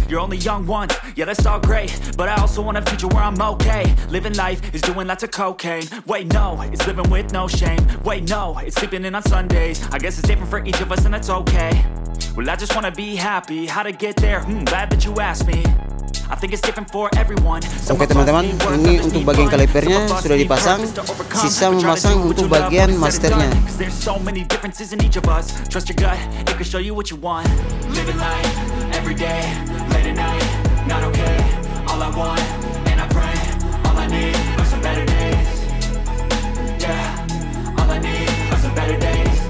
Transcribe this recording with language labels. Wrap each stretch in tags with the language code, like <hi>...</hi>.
<en>You're only young once, yeah that's all great, but I also want a future where I'm okay. Living life is doing lots of cocaine. Wait no, it's living with no shame. Wait no, it's sleeping in on Sundays. I guess it's different for each of us and it's okay. Well I just wanna be happy. How to get there? Glad that you asked me. I think it's different for everyone.</en> <id>Oke teman-teman, ini untuk bagian kalipernya sudah dipasang. Sisa memasang untuk bagian masternya.</id> <en>There's so many differences in each of us. Trust your gut, it can show you what you want. Living life, every day, late at night. Not okay, all I want. And I pray, all I need are some better days. Yeah, all I need are some better days.</en>